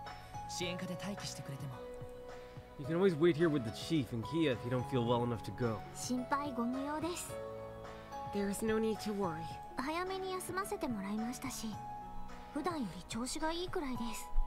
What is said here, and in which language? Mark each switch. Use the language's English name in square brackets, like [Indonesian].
[Japanese] 何だったら、課長やキーヤと一緒に支援課で待機してくれても。 [English] You can always wait here with the chief and Kia if you don't feel well enough to go. [Japanese] 心配ご無用です。 [English] There's no need to worry. [Japanese] 早めに休ませてもらいましたし、普段より調子がいいくらいです。